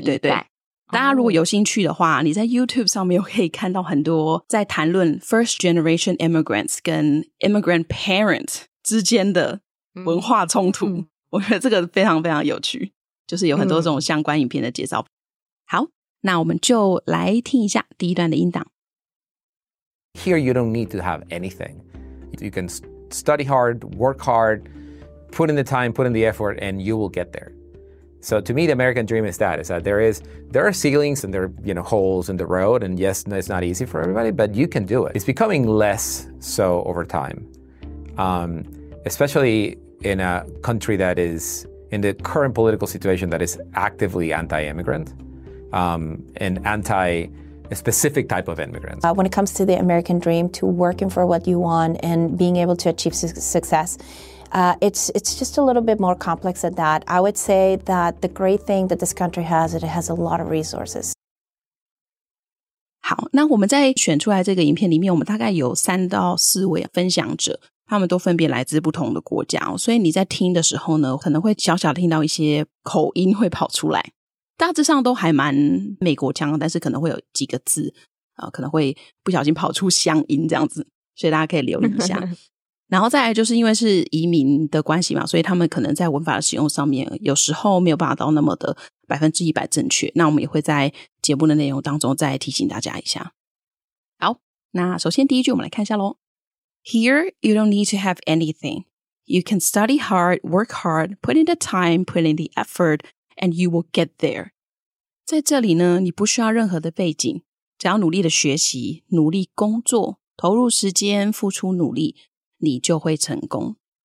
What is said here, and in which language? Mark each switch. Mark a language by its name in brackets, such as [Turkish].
[Chinese] 对对对，大家如果有兴趣的话，你在 YouTube 上面可以看到很多在谈论 [English] first generation immigrants [Chinese] 跟 [English] immigrant parents [Chinese] 之间的文化冲突、嗯、我觉得这个非常非常有趣，就是有很多这种相关影片的介绍、嗯、好，那我们就来听一下第一段的音档。 [English] Here you don't need to have anything. You can study hard, work hard, put in the time, put in the effort, and you will get thereSo to me, the American dream is that, there are ceilings and there are, you know, holes in the road. And yes, it's not easy for everybody, but you can do it. It's becoming less so over time, especially in a country that is in the current political situation that is actively anti-immigrant and anti a specific type of immigrant. When it comes to the American dream, to working for what you want and being able to achieve success,it's just a little bit more complex than that. I would say that the great thing that this country has is it has a lot of resources. [Chinese] 好，那我们在选出来这个影片里面，我们大概有三到四位分享者，他们都分别来自不同的国家，所以你在听的时候呢，可能会小小的听到一些口音会跑出来，大致上都还蛮美国腔，但是可能会有几个字、可能会不小心跑出乡音这样子，所以大家可以留意一下。然后再来就是因为是移民的关系嘛，所以他们可能在文法的使用上面有时候没有办法到那么的100%正确，那我们也会在节目的内容当中再提醒大家一下。好，那首先第一句我们来看一下咯。 [English] Here you don't need to have anything. You can study hard, work hard, put in the time, put in the effort, and you will get there. [Chinese] 在这里呢，你不需要任何的背景，只要努力的学习，努力工作，投入时间，付出努力，你就会成功。